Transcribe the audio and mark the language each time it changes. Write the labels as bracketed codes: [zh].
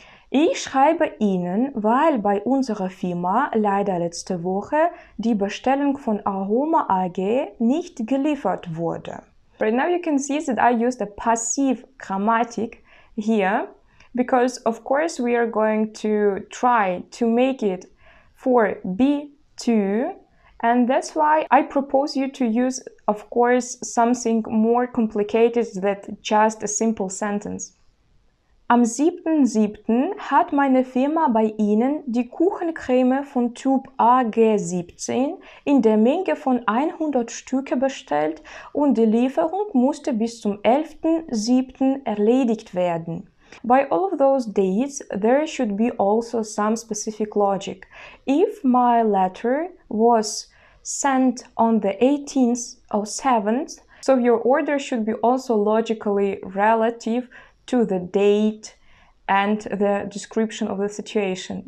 [de] Ich schreibe Ihnen, weil bei unserer Firma leider letzte Woche die Bestellung von Aroma AG nicht geliefert wurde. [en] Right now you can see that I used a passive grammatic here, because of course we are going to try to make it for B2 too. And that's why I propose you to use, of course, something more complicated than just a simple sentence. [de] Am 7.7. hat meine Firma bei Ihnen die Kuchencreme von Typ AG17 in der Menge von 100 Stücke bestellt und die Lieferung musste bis zum 11.7. erledigt werden. [en] By all of those dates, there should be also some specific logic. If my letter was sent on the 18th or 7th, so your order should be also logically relative to the date and the description of the situation.